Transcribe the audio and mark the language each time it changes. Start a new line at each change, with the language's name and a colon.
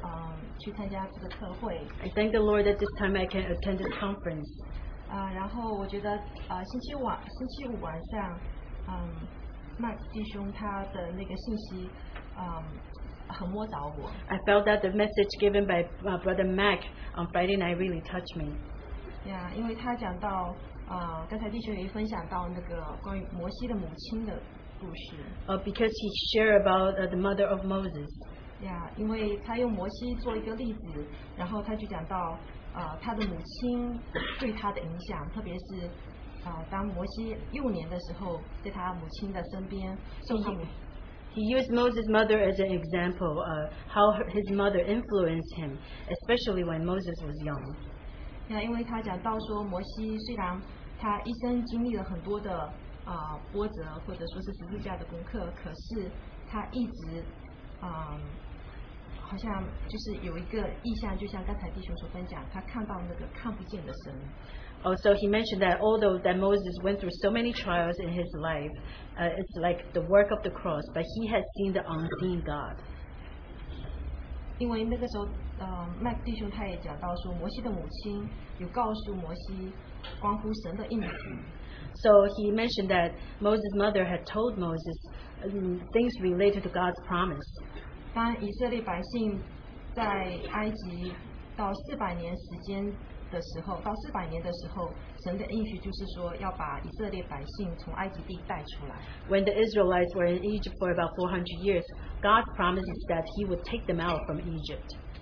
English: I thank the Lord that this time I can attend this conference.
Chinese: 然后我觉得, 星期五晚上, Mark弟兄他的那个信息, 很摸着我。
English: I felt that the message given by Brother Mac on Friday night really touched me.
Chinese: Yeah, 因为他讲到, 刚才弟兄也分享到那个关于摩西的母亲的故事。
English: Because he shared about the mother of Moses.
Chinese: Yeah, 因为他用摩西做一个例子，然后他就讲到, 他的母亲对他的影响，特别是, 当摩西幼年的时候，在他母亲的身边受尽。
English: He used Moses' mother as an example of how his mother influenced him, especially when Moses was young.
Chinese: Yeah, 因为他讲到说摩西虽然 他一生经历了很多的波折，或者说是十字架的功课，可是他一直好像就是有一个意象，就像刚才弟兄所分享，他看到那个看不见的神。
English: Also, he mentioned that although that Moses went through so many trials in his life, it's like the work of the cross, but he had seen the unseen God.
Chinese: 因为那个时候, Mac弟兄他也讲到说，摩西的母亲有告诉摩西。
English: So he mentioned that Moses' mother had told Moses things related to God's promise.
Chinese: 当以色列百姓在埃及到400年时间的时候，到400年的时候，神的应许就是说要把以色列百姓从埃及地带出来。
English: When the Israelites were in Egypt for about 400 years, God promised that he would take them out from Egypt.